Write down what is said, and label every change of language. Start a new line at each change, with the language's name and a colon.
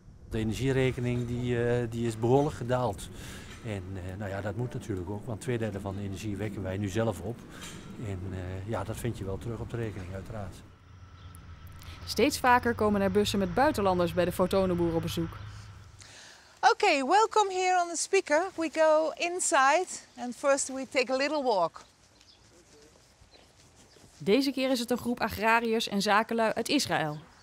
Dutch: De energierekening die is behoorlijk gedaald. En nou ja, dat moet natuurlijk ook, want 2/3 van de energie wekken wij nu zelf op. En ja, dat vind je wel terug op de rekening uiteraard. Steeds vaker komen er bussen met buitenlanders bij de fotonenboer op bezoek.
English: Okay, welcome here on the speaker. We go inside and first we take a little walk.
Dutch: Deze keer is het een groep agrariërs en zakenlui uit Israël.